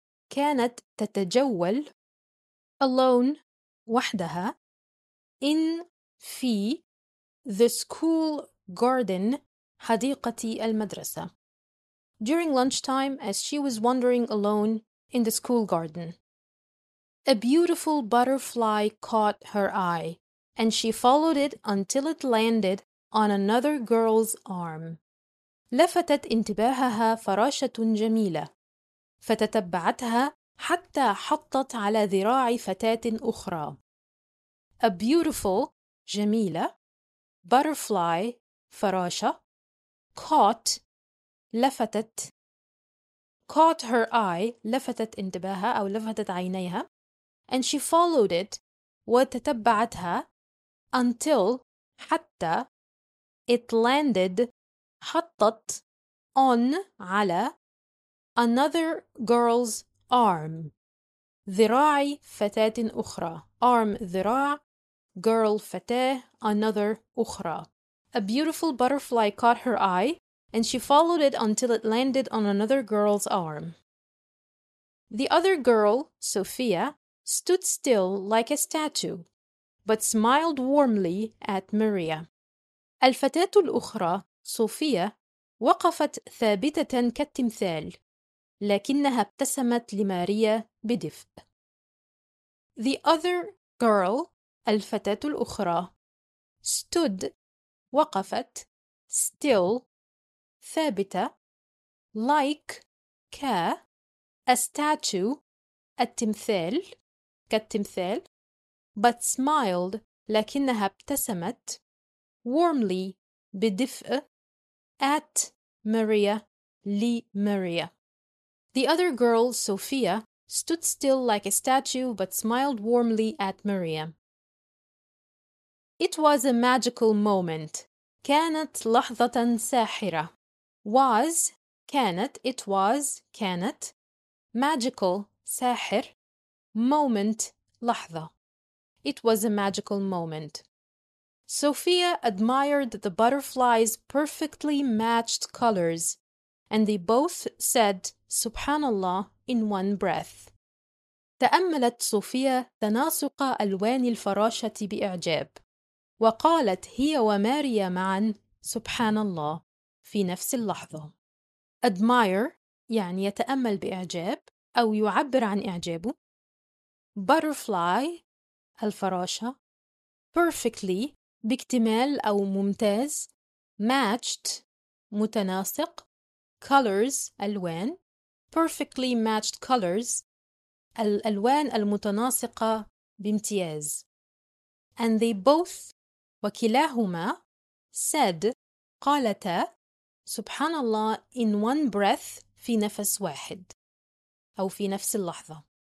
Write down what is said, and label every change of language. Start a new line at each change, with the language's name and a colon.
Arabic: كانت تتجول
English: alone
Arabic: وحدها
English: in
Arabic: في
English: the school garden
Arabic: حديقة المدرسة.
English: During lunchtime, as she was wandering alone in the school garden, a beautiful butterfly caught her eye, and she followed it until it landed on another girl's arm.
Arabic: لفتت انتباهها فراشة جميلة فتتبعتها حتى حطت على ذراع فتاة أخرى.
English: A beautiful,
Arabic: جميلة,
English: butterfly,
Arabic: فراشة,
English: caught,
Arabic: لفتت,
English: caught her eye,
Arabic: لفتت انتباهها أو لفتت عينيها,
English: and she followed it,
Arabic: وتتبعتها,
English: until,
Arabic: حتى,
English: it landed,
Arabic: حطت,
English: on,
Arabic: على,
English: another girl's arm,
Arabic: ذراع فتاة أخرى,
English: arm,
Arabic: ذراع,
English: girl,
Arabic: فتاة,
English: another,
Arabic: أخرى.
English: A beautiful butterfly caught her eye, and she followed it until it landed on another girl's arm. The other girl, Sophia, stood still like a statue, but smiled warmly at Maria.
Arabic: الفتاة الأخرى, صوفيا, وقفت ثابتة كالتمثال, لكنها ابتسمت لماريا بدفء.
English: The other girl,
Arabic: الفتاة الأخرى,
English: stood,
Arabic: وقفت,
English: still,
Arabic: ثابتة,
English: like,
Arabic: ك,
English: a statue,
Arabic: التمثال, كالتمثال,
English: but smiled,
Arabic: لكنها ابتسمت,
English: warmly,
Arabic: بدفء,
English: at Maria,
Arabic: لي
English: Maria. The other girl, Sophia, stood still like a statue, but smiled warmly at Maria. It was a magical moment.
Arabic: كانت لحظة ساحرة.
English: Was,
Arabic: كانت,
English: it was, كانت. Magical,
Arabic: ساحر.
English: Moment,
Arabic: لحظة.
English: It was a magical moment. Sophia admired the butterfly's perfectly matched colors, and they both said,
Arabic: Subhanallah,
English: in one breath.
Arabic: تأملت صوفيا تناسق ألوان الفراشة بإعجاب. وقالت هي وماريا معا سبحان الله في نفس اللحظة.
English: Admire
Arabic: يعني يتأمل بإعجاب أو يعبر عن إعجابه.
English: Butterfly
Arabic: الفراشة.
English: Perfectly
Arabic: باكتمال أو ممتاز.
English: Matched
Arabic: متناسق.
English: Colors
Arabic: ألوان.
English: Perfectly matched colors
Arabic: الألوان المتناسقة بامتياز.
English: And they both
Arabic: وكلاهما
English: said
Arabic: قالتا سبحان الله
English: in one breath
Arabic: في نفس واحد أو في نفس اللحظة.